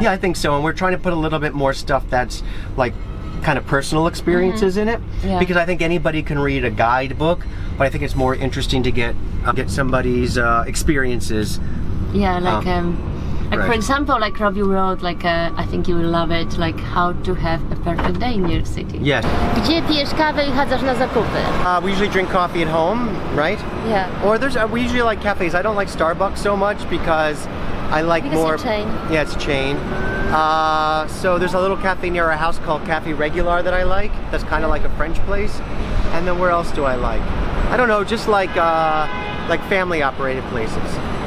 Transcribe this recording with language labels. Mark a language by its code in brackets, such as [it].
[en] Yeah, I think so. And we're trying to put a little bit more stuff that's like kind of personal experiences in it. Yeah. Because I think anybody can read a guidebook, but I think it's more interesting to get somebody's experiences. Yeah, like for example, like Robbie wrote, like I think you will love it, like how to have a perfect day in New York City. Yes. [pl] Gdzie pijesz kawę I chodzisz na zakupy? [en] We usually drink coffee at home, right? Yeah. Or we usually like cafes. I don't like Starbucks so much because I like because more. It's a chain. Yeah, it's a chain. So there's a little cafe near our house called Cafe Regular that I like. That's kind of like a French place. And then where else do I like? I don't know. Just like family operated places.